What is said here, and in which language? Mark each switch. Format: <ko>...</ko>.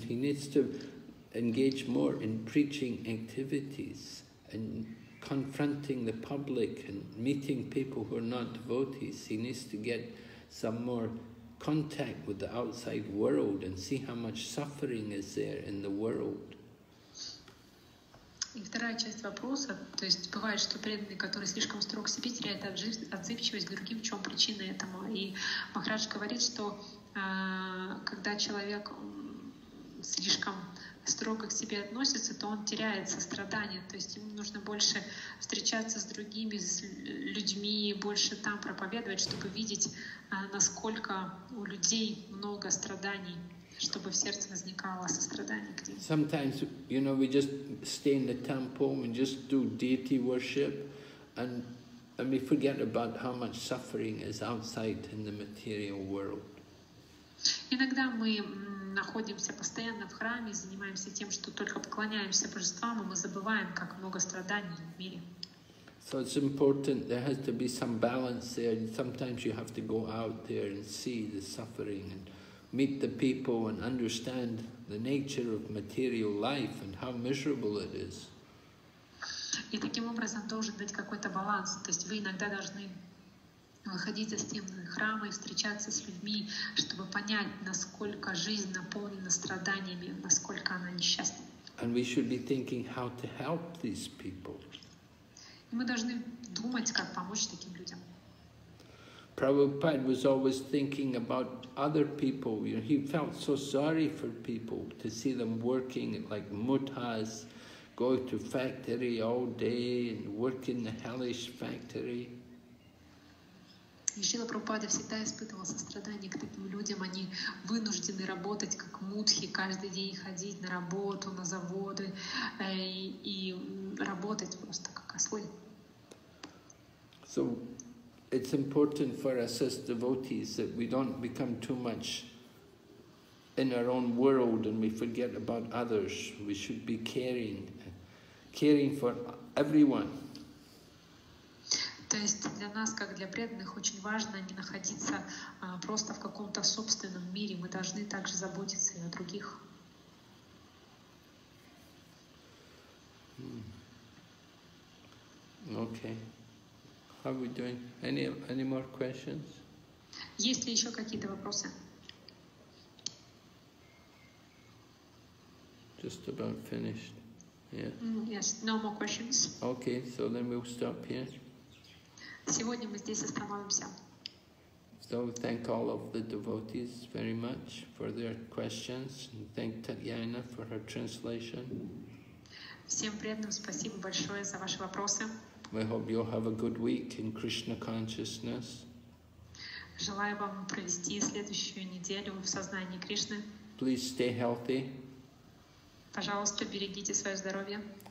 <en>He needs to engage more in preaching activities and confronting the public and meeting people who are not devotees. He needs to get some more contact with the outside world and see how much suffering is there in the world.</en> <ru>И вторая часть вопроса, то есть бывает, что преданный, который слишком строг к себе, теряет отзывчивость к другим, в чем причина этому. И Махарадж говорит, что когда человек слишком строго к себе относится, то он теряет сострадание, то есть ему нужно больше встречаться с другими, с людьми, больше там проповедовать, чтобы видеть, насколько у людей много страданий. Чтобы в сердце возникало сострадание к ним.</ru> <en>Sometimes, you know, we just stay in the temple and just do deity worship, and we forget about how much suffering is outside in the material world.</en> <ru>Иногда мы находимся постоянно в храме, занимаемся тем, что только поклоняемся божествам, и мы забываем, как много страданий в мире.</ru> <en>So it's important. There has to be some balance there, and sometimes you have to go out there and see the suffering and meet the people and understand the nature of material life and how miserable it is.</en> <ru>И таким образом должен быть какой-то баланс. То есть вы иногда должны выходить из стены храма и встречаться с людьми, чтобы понять, насколько жизнь наполнена страданиями, насколько она несчастна.</ru> <en>And we should be thinking how to help these people.</en> <ru>И мы должны думать, как помочь таким людям.</ru> <en>Prabhupada was always thinking about other people. He felt so sorry for people to see them working like muthas, go to factory all day and work in the hellish factory.</en> <ru>Шрила Прабхупада всегда испытывал сострадание к таким людям. Они вынуждены работать как мудхи, каждый день ходить на работу, на заводы и работать просто как ослы.</ru> <en>So, it's important for us as devotees that we don't become too much in our own world and we forget about others. We should be caring for everyone.</en> <ru>То есть для нас, как для преданных, очень важно не находиться просто в каком-то собственном мире. Мы должны также заботиться и о других.</ru> <en>Okay. How are we doing? Any more questions?</en> <ru>Есть ли еще какие-то вопросы?</ru> <en>Just about finished. Yeah. Yes, no more questions. Okay, so then we'll stop here.</en> <ru>Сегодня мы здесь остановимся.</ru> <en>So thank all of the devotees very much for their questions and thank Tatyana for her translation.</en> <ru>Всем преданным спасибо большое за ваши вопросы.</ru> <en>We hope you'll have a good week in Krishna consciousness.</en> <ru>Желаю вам провести следующую неделю в сознании Кришны.</ru> <en>Please stay healthy.</en> <ru>Пожалуйста, берегите свое здоровье.</ru>